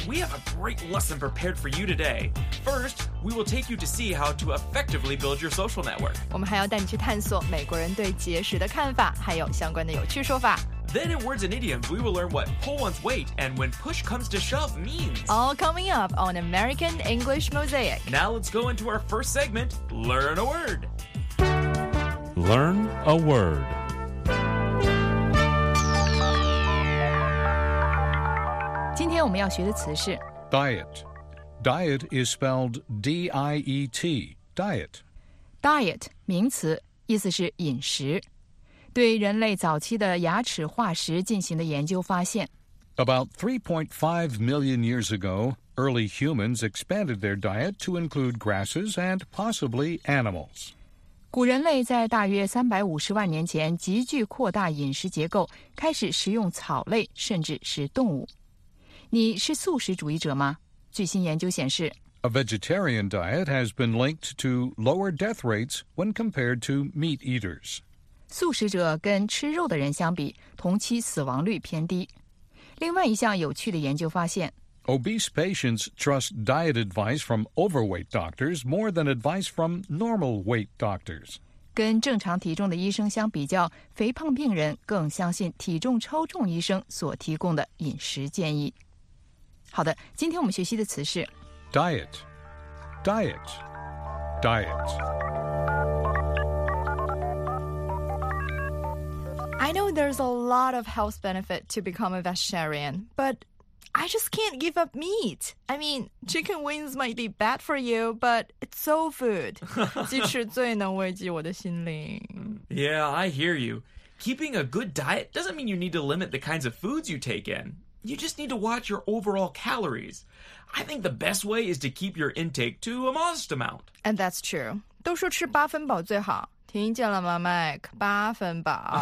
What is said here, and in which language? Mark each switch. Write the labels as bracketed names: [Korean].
[English] We have a great lesson prepared for you today. First, we will take you to see how to effectively build your social network. [Chinese] 我们还要带你去探索美国人对节食的看法，还有相关的有趣说法。 [English] Then in words and idioms, we will learn what pull one's weight and when push comes to shove means. All coming up on American English Mosaic. Now let's go into our first segment, Learn a Word. Learn a Word. [Chinese] 今天我们要学的词是 [English] diet. Diet is spelled D-I-E-T, diet. [Chinese] Diet, 名词，意思是饮食。对人类早期的牙齿化石进行的研究发现 [English] About 3.5 million years ago, early humans expanded their diet to include grasses and possibly animals. [Chinese] 古人类在大约350万年前急剧扩大饮食结构，开始食用草类甚至是动物。你是素食主义者吗？最新研究显示 [English] A vegetarian diet has been linked to lower death rates when compared to meat eaters. [Chinese] 素食者跟吃肉的人相比，同期死亡率偏低。另外一项有趣的研究发现 [English] Obese patients trust diet advice from overweight doctors more than advice from normal weight doctors. [Chinese] 跟正常体重的医生相比较，肥胖病人更相信体重超重医生所提供的饮食建议。好的，今天我们学习的词是 [English] diet, diet, diet. I know there's a lot of health benefit to become a vegetarian, but I just can't give up meat. I mean, chicken wings might be bad for you, but it's soul food. [Chinese] 鸡翅最能慰藉我的心灵。 [English] Yeah, I hear you. Keeping a good diet doesn't mean you need to limit the kinds of foods you take in. You just need to watch your overall calories. I think the best way is to keep your intake to a modest amount. And that's true. [Chinese] 都说吃八分饱最好。听见了吗 ,Mike? 八分饱。